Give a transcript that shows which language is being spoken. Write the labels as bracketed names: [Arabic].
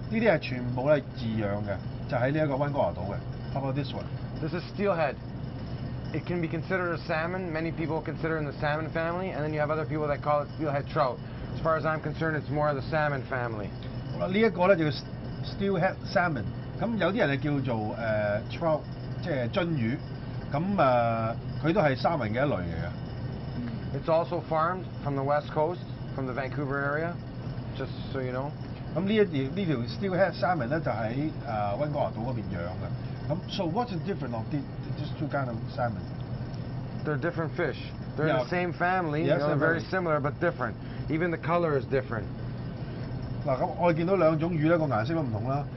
[Cantonese] 呢啲係全部咧飼養嘅，就喺呢一個温哥華島嘅。 [English] How about this one? This is steelhead. It can be considered a salmon. Many people consider it in the salmon family, and then you have other people that call it steelhead trout. As far as I'm concerned, it's more of the salmon family. [Cantonese] 呢一個咧叫 steelhead salmon， 咁有啲人係叫做trout， 即係鰻魚，咁佢都係三文嘅一類嚟嘅。 [English] It's also farmed from the west coast, from the Vancouver area, just so you know。 [Cantonese] 咁呢條 steelhead salmon 咧就喺温哥華島嗰邊養嘅。 [English] 咁 so what's the difference of these two kind of salmon？ They're different fish. They're in the same family, yes, you know, they're very similar but different. Even the color is different. [Cantonese] 我見到兩種魚咧，個顏色都唔同啦。